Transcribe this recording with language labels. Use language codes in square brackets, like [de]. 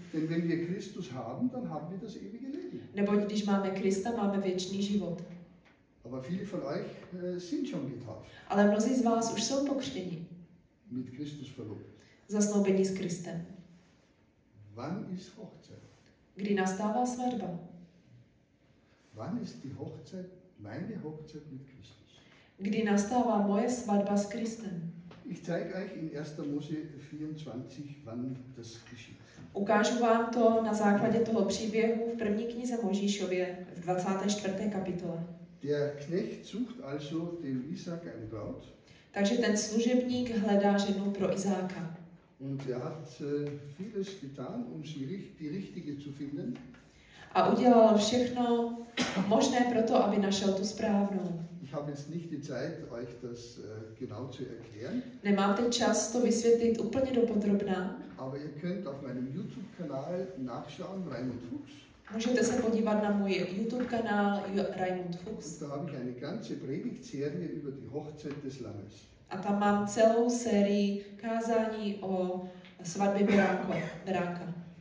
[de] Denn wenn wir Christus haben, dann haben wir das ewige Leben. [cs] Neboť když máme Krista, máme věčný život. [de] Aber viele von euch sind schon getauft. [cs] Ale mnozí z vás už jsou pokřtěni. [de] Mit Christus verlobt. [cs] Zasnoubení s Kristem. [de] Wann ist Hochzeit? [cs] Kdy nastává svatba? [de] Wann ist die Hochzeit, meine Hochzeit mit Christus? [cs] Kdy nastává moje svatba s Kristem? [de] Ich zeige euch in 1. Mose 24, wann das geschieht. [cs] Ukážu vám to na základě toho příběhu v první knize Mojžíšově v 24. kapitole. [de] Der Knecht sucht also den Isaac eine Braut. [cs] Takže ten služebník hledá ženu pro Izáka. [de] Und er hat vieles getan, um sie die richtige zu finden. [cs] A udělal všechno možné pro to, aby našel tu správnou. [de] Ich habe jetzt nicht die Zeit, euch das genau zu erklären. [cs] Nemám teď čas to vysvětlit úplně dopodrobná. [de] Aber ihr könnt auf meinem YouTube-Kanal nachschauen, Raimund Fuchs. [cs] Můžete se podívat na můj YouTube kanál Raimund Fuchs. [de] Da habe ich eine ganze Predigtserie über die Hochzeit des Lammes. [cs] A tam mám celou sérii kázání o svatbě Beránka.